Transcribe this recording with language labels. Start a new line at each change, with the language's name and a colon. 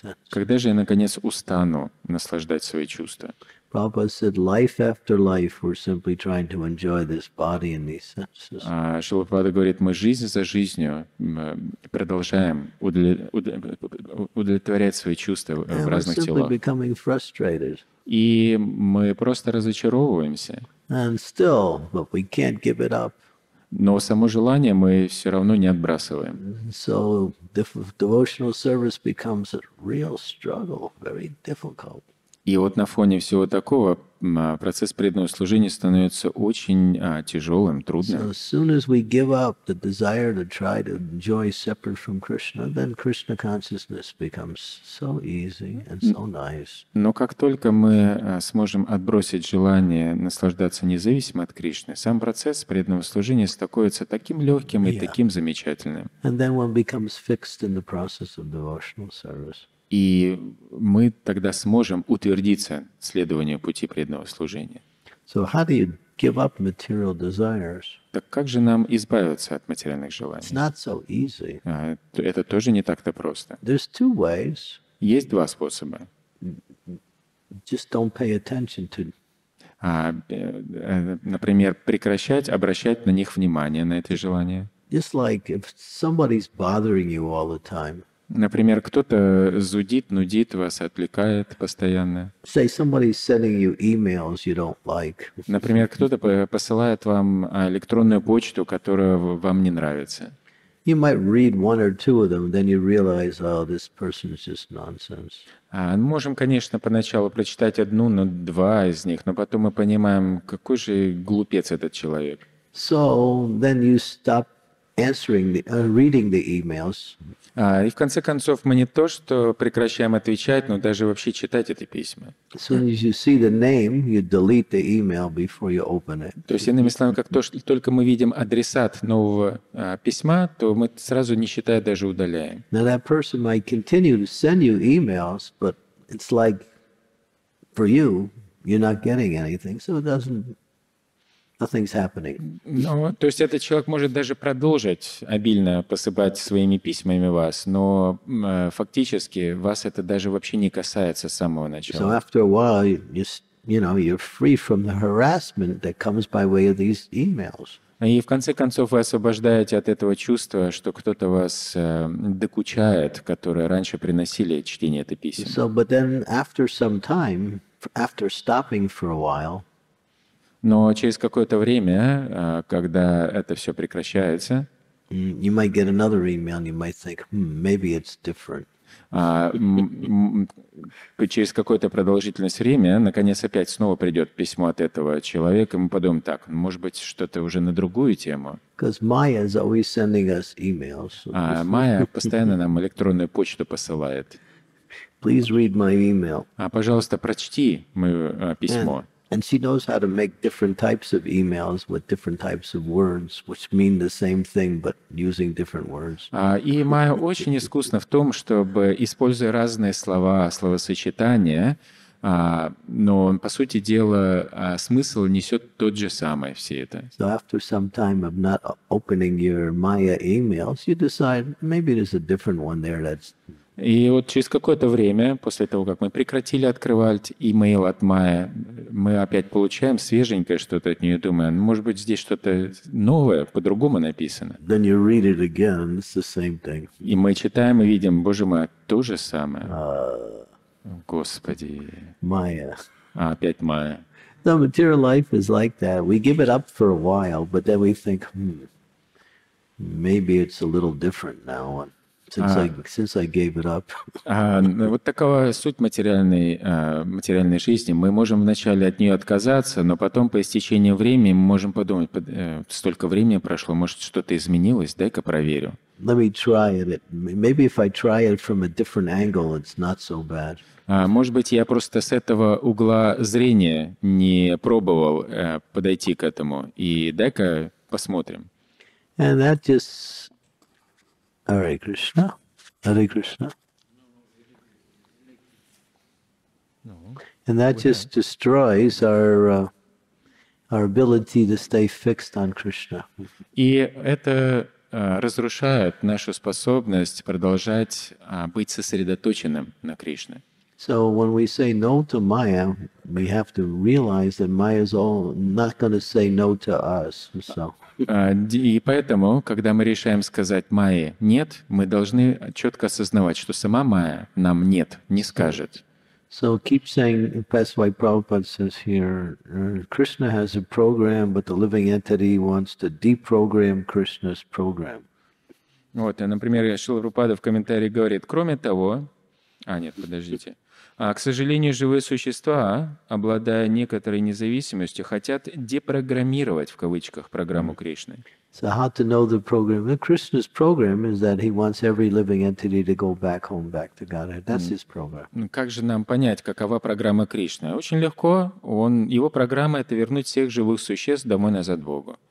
Russian: Когда же я наконец устану наслаждать свои чувства?
English: Prabhupada said, life after life, we're simply trying to enjoy this body and these senses.
Russian: Шрила Прабхупада говорит, мы жизнь за жизнью продолжаем удовлетворять свои чувства в разных телах.
English: And we're simply becoming frustrated.
Russian: И мы просто разочаровываемся.
English: And still, but we can't give it up.
Russian: Но само желание мы все равно не отбрасываем.
English: So, devotional service becomes a real struggle, very difficult.
Russian: И вот на фоне всего такого процесс преданного служения становится очень тяжелым, трудным.
English: So, as soon as we give up the desire to try to enjoy separate from Krishna, then Krishna consciousness becomes so easy and so nice.
Russian: Но как только мы сможем отбросить желание наслаждаться независимо от Кришны, сам процесс преданного служения становится таким легким и таким замечательным.
English: And then one becomes fixed in the process of devotional service.
Russian: И мы тогда сможем утвердиться в следовании пути преданного служения.
English: So how do you give up material desires?
Russian: Так как же нам избавиться от материальных желаний?
English: It's not so easy.
Russian: Это тоже не так-то просто.
English: There's two ways.
Russian: Есть два способа.
English: Just don't pay attention to...
Russian: Например, прекращать обращать на них внимание, на эти желания.
English: Just like if somebody's bothering you all the time.
Russian: Например, кто-то зудит, нудит вас, отвлекает постоянно.
English: Say somebody's sending you emails you don't like.
Russian: Например, кто-то посылает вам электронную почту, которая вам не нравится.
English: You might read one or two of them, then you realize, oh, this person is just nonsense.
Russian: Можем, конечно, поначалу прочитать одну, но два из них, но потом мы понимаем, какой же глупец этот человек.
English: So then you stop answering the, reading the emails.
Russian: И в конце концов мы не то, что прекращаем отвечать, но даже вообще читать эти письма.
English: As soon as you see the name, you delete the email before you open it.
Russian: То есть, иными словами, как то, что только мы видим адресат нового письма, то мы сразу, не считая, даже удаляем.
English: Now that person might continue to send you emails, but it's like for you, you're not getting anything, so it doesn't. Nothing's happening.
Russian: Ну, то есть этот человек может даже продолжить обильно посыпать своими письмами вас, но фактически вас это даже вообще не касается с самого начала.
English: So after a while, you know, you're free from the harassment that comes by way of these emails.
Russian: И в конце концов вы освобождаете от этого чувства, что кто-то вас докучает, которое раньше приносили чтение этой письма.
English: So, but then after some time, after stopping for a while.
Russian: Но через какое-то время, когда это все прекращается, через какое-то продолжительность времени, наконец, опять снова придет письмо от этого человека, и мы подумаем, так, может быть, что-то уже на другую тему. Майя постоянно нам электронную почту посылает. Пожалуйста, прочти мое письмо.
English: And she knows how to make different types of emails with different types of words, which mean the same thing, but using different words.
Russian: И Майя очень искусна в том, чтобы, используя разные слова, словосочетания, но по сути дела смысл несет тот же самый все это.
English: So after some time of not opening your Maya emails, you decide maybe there's a different one there that's.
Russian: И вот через какое-то время, после того, как мы прекратили открывать имейл от Майи, мы опять получаем свеженькое что-то от нее, думая, ну, может быть, здесь что-то новое, по-другому написано.
English: Then you read it again, it's the same thing.
Russian: И мы читаем и видим, боже мой, то же самое. Господи. Майя. Опять Майя.
English: The material life is like that. We give it up for a while, but then we think, maybe it's a little different now. Since I gave it up.
Russian: Вот такова суть материальной жизни. Мы можем вначале от нее отказаться, но потом, по истечении времени, мы можем подумать, столько времени прошло, может, что-то изменилось, дай-ка проверю.
English: Let me try it. Maybe if I try it from a different angle, it's not so bad.
Russian: Может быть, я просто с этого угла зрения не пробовал подойти к этому. И дай-ка посмотрим.
English: And that just. Hare Krishna. Hare Krishna. And that just destroys our ability to stay fixed on Krishna.
Russian: И это разрушает нашу способность продолжать быть сосредоточенным на Кришне.
English: So when we say no to Maya, we have to realize that Maya is all not going to say no to us. So.
Russian: И поэтому, когда мы решаем сказать Майе «нет», мы должны четко осознавать, что сама Майя нам «нет» не скажет.
English: So keep saying, that's why Prabhupada says here, Krishna has a program, but the living entity wants to deprogram Krishna's program.
Russian: Вот, и, например, Шрила Прабхупада в комментарии говорит, кроме того, к сожалению, живые существа, обладая некоторой независимостью, хотят депрограммировать, в кавычках, программу Кришны.
English: So how to know the program? The Krishna's program is that he wants every living entity to go back home, back to Godhead. That's his program.
Russian: Как же нам понять, какова программа Кришны? Очень легко. Его программа — это вернуть всех живых существ домой назад Богу.